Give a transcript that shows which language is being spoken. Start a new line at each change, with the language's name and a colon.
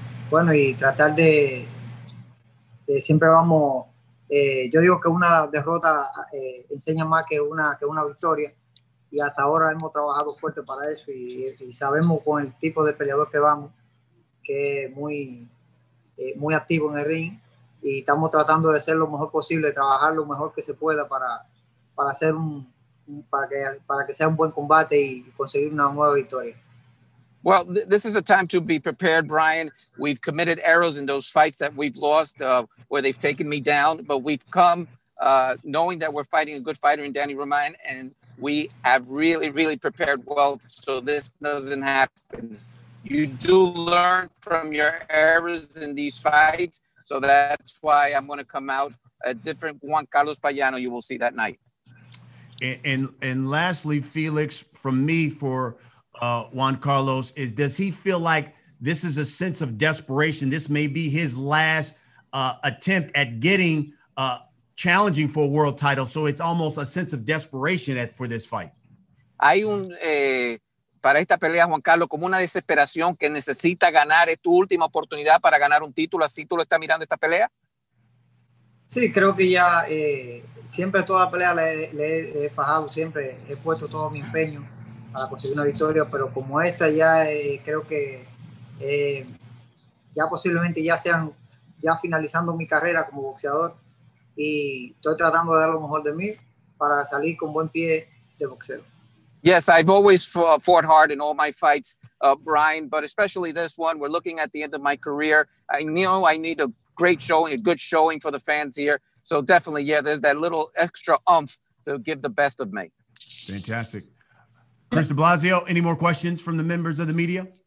Spanish: Bueno, y tratar de siempre vamos, yo digo que una derrota enseña más que una victoria, y hasta ahora hemos trabajado fuerte para eso y sabemos con el tipo de peleador que vamos, que es muy, muy activo en el ring. Y estamos tratando de hacer lo mejor posible, trabajar lo mejor que se pueda para que sea un buen combate y conseguir una nueva victoria.
English: Well, this is a time to be prepared, Brian. We've committed errors in those fights that we've lost, where they've taken me down. But we've come knowing that we're fighting a good fighter in Danny Roman, and we have really, really prepared well so this doesn't happen. You do learn from your errors in these fights. So that's why I'm going to come out a different Juan Carlos Payano you will see that night. And lastly, Felix, from me for Juan Carlos, is does he feel like this is a sense of desperation? This may be his last attempt at getting challenging for a world title. So it's almost a sense of desperation for this fight.
Spanish: Hay un, para esta pelea, Juan Carlos, como una desesperación que necesita ganar, es tu última oportunidad para ganar un título, así tú lo estás mirando esta pelea. Sí, creo que ya siempre toda la pelea le he fajado, siempre he puesto todo mi empeño para conseguir una victoria, pero como esta ya creo que ya posiblemente ya sean ya finalizando mi carrera como boxeador, y estoy tratando de dar lo mejor de mí para salir con buen pie de boxeo.
English: Yes, I've always fought hard in all my fights, Brian, but especially this one. We're looking at the end of my career. I know I need a great showing, a good showing for the fans here. So definitely, yeah, there's that little extra oomph to give the best of me. Fantastic. Chris de Blasio, any more questions from the members of the media?